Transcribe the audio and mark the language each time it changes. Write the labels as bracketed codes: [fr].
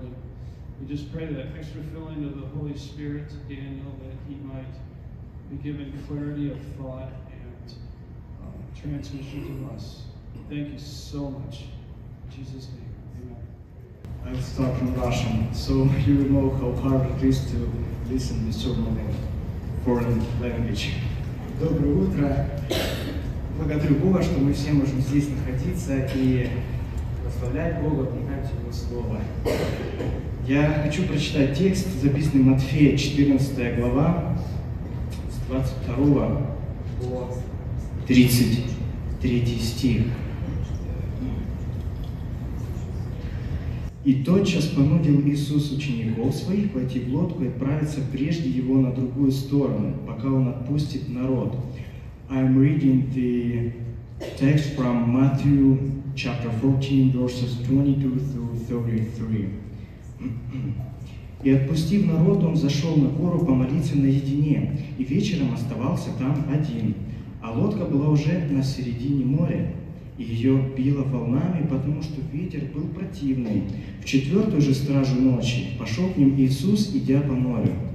[en] And we just pray that extra filling of the Holy Spirit to Daniel, that he might be given clarity of thought and transmission to us. Thank you so much. In Jesus' name. I start from Russian, so you will know how hard it is to listen to the sermon in foreign language. [ru] Доброе утро. Благодарю Бога, что мы все можем здесь находиться и прославлять Бога, принять Его Слово. Я хочу прочитать текст, записанный в Матфея, 14 глава, с 22 по 33 стих. «И тотчас понудил Иисус учеников своих войти в лодку и отправиться прежде его на другую сторону, пока он отпустит народ». [en] I'm reading the text from Matthew chapter 14, verses 22 through 33. [ru] «И отпустив народ, он зашел на гору помолиться наедине, и вечером оставался там один. А лодка была уже на середине моря. Ее било волнами, потому что ветер был противный. В четвертую же стражу ночи пошел к ним Иисус, идя по морю.